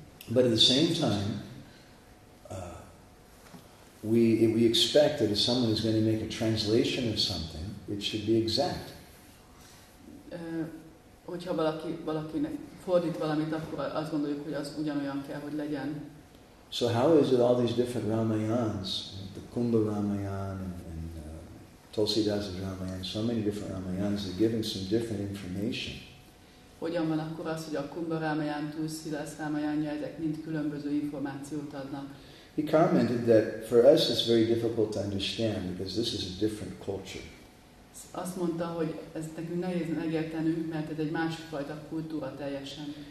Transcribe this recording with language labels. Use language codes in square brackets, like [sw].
[en] But at the same time, we expect that if someone is going to make a translation of something, it should be exact. [hu] Hogyha valakinek fordít valamit, akkor azt gondoljuk, hogy az ugyanolyan kell, hogy legyen. [en] So how is it all these different Ramayans, the Kumbha Ramayana and Tulsidas Ramayana, so many different Ramayans are giving some different information. [hu] Hogyan van akkor az, hogy a Kumbha Ramayana, Tulsidas Ramayana, ezek mind különböző információt adnak? [en] He commented that for us it's very difficult to understand because this is a different culture. [hu] Azt mondta, hogy ez nekünk nehéz megértenünk, mert ez egy másfajta kultúra teljesen.